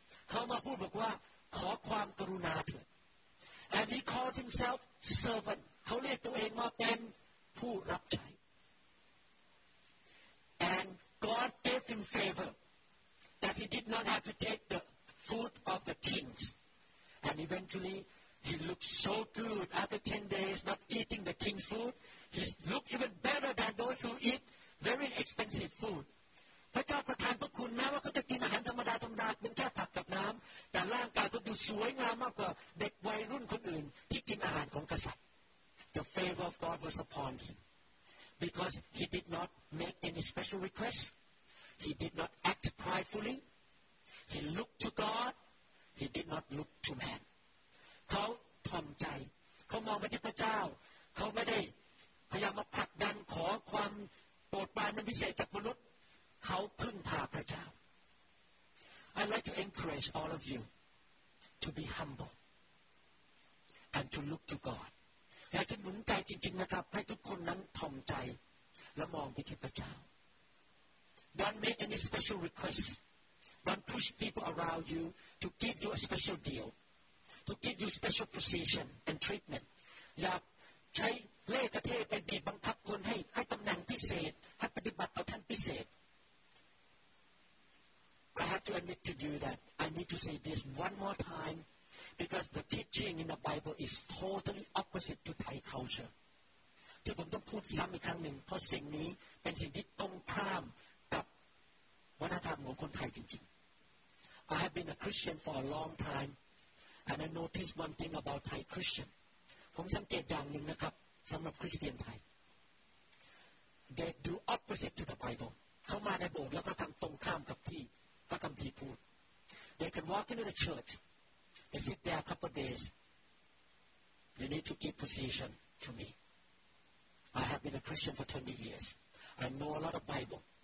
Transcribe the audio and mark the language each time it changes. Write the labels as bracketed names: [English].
[Thai] เขามาพูดบอกว่าขอความกรุณาเถิด [English] And he called himself servant. [Thai] เขาเรียกตัวเองว่าเป็นผู้รับใช้ [English] And God gave him favor that he did not have to take the food of the kings. And eventually, he looked so good after 10 days not eating the king's food. He looked even better than those who eat very expensive food. [Thai] พระเจ้าประทานพระคุณแม้ว่าเขาจะกินอาหารธรรมดาธรรมดาเป็นแค่ผักกับน้ำแต่ร่างกายเขาดูสวยงามมากกว่าเด็กวัยรุ่นคนอื่นที่กินอาหารของกษัตริย์ [English] The favor of God was upon him. Because he did not make any special requests. He did not act pridefully. He looked to God. He did not look to man. [Thai] เขาถ่อมใจเขามองไปที่พระเจ้าเขาไม่ได้พยายามมาผลักดันขอความโปรดปรานพิเศษจากมนุษย์เขาพึ่งพาพระเจ้า [English] I'd like to encourage all of you to be humble and to look to God. [Thai] อยากจะหนุนใจจริงๆนะครับให้ทุกคนนั้นถ่อมใจและมองไปที่พระเจ้า [English] Don't make any special requests. Don't push people around you to give you a special deal, to give you special position and treatment. [Thai] อย่าใช้เล่ห์กลเทศไปบีบบังคับคนให้ตำแหน่งพิเศษให้ปฏิบัติต่อท่านพิเศษ [English] I have to admit to you that I need to say this one more time. Because the teaching in the Bible is totally opposite to Thai culture. [Thai] ที่ผมต้องพูดซ้ำอีกครั้งหนึ่งเพราะสิ่งนี้เป็นสิ่งที่ตรงข้ามกับวัฒนธรรมของคนไทยจริงๆ [English] I have been a Christian for a long time, and I noticed one thing about Thai Christian. [Thai] ผมสังเกตอย่างหนึ่งนะครับสำหรับคริสเตียนไทย [English] They do opposite to the Bible. [Thai] เขามาในโบสถ์แล้วก็ทำตรงข้ามกับที่พระคัมภีร์พูด [English] They can walk into the church. They sit there a couple of days. You need to keep position to me. I have been a Christian for 20 years. I know a lot of Bible.